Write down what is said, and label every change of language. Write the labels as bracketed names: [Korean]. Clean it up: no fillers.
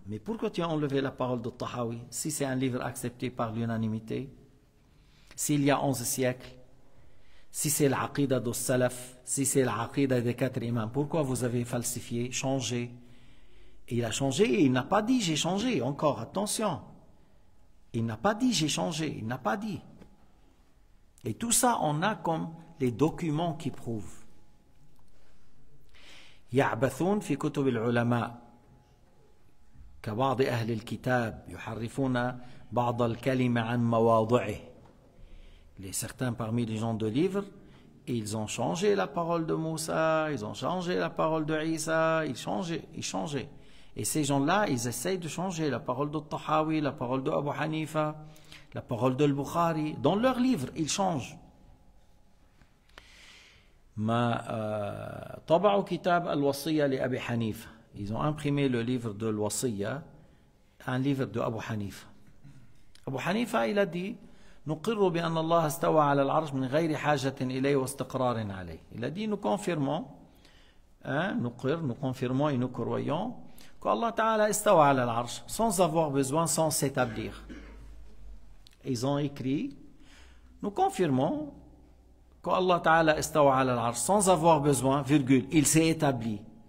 [French] Mais pourquoi tu as enlevé la parole de Tahawi si c'est un livre accepté par l'unanimité, s'il y a 11 siècles, si c'est l'aqida du salaf, si c'est l'aqida des quatre imams, pourquoi vous avez falsifié, changé? Et il a changé, et il n'a pas dit j'ai changé, encore, attention. Il n'a pas dit j'ai changé, il n'a pas dit. Et tout ça, on a comme les documents qui prouvent. [Arabic] يعبثون في كتب العلماء كبعض أهل الكتاب، يحرفون بعض الكلمة عن مواضعه. [French] Les certains parmi les gens de livre, ils ont changé la parole de Moussa, ils ont changé la parole de Isa, ils changent. Et ces gens-là, ils essayent de changer la parole de Tahawi, la parole de Abu Hanifa, la parole de Al-Bukhari. Dans leur livre, ils changent. [Arabic] ما طبعوا كتاب الوصية لأبي حنيفة. [French] Ils ont imprimé le livre de l'Wasiya, un livre de Abu Hanifa. [Arabic] Abu Hanifa, [French] il a dit, [Arabic] نقر بأن الله استوى على العرش من غير حاجة إليه واستقرار عليه. [French] Il a dit, nous confirmons, nous confirmons et nous croyons qu'Allah Ta'ala [Arabic] استوى على العرش [French] sans avoir besoin, sans s'établir. Ils ont écrit, nous confirmons qu'Allah Ta'ala [Arabic] استوى على العرش [French] sans avoir besoin, virgule, il s'est établi.